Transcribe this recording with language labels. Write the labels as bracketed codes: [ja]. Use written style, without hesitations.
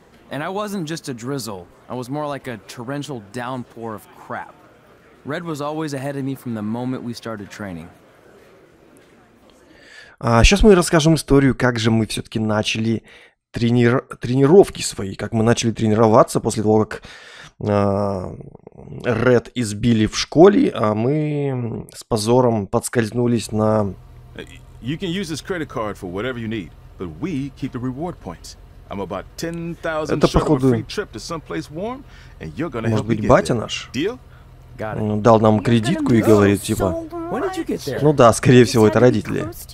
[en] And I wasn't just a drizzle. I was more like a torrential downpour of crap. Red was always ahead of me from the moment we started training. [ru] Сейчас мы расскажем историю, как же мы все-таки начали тренировки свои, как мы начали тренироваться после того, как Ред избили в школе, а мы с позором подскользнулись на... [en] You can use this credit card for whatever you need, but we keep the reward points. I'm about 10,000 short of a free trip to someplace warm, and you're gonna help me get there. [ru] Может быть, батя наш дал нам кредитку и говорит, типа, ну да, скорее всего, это родители.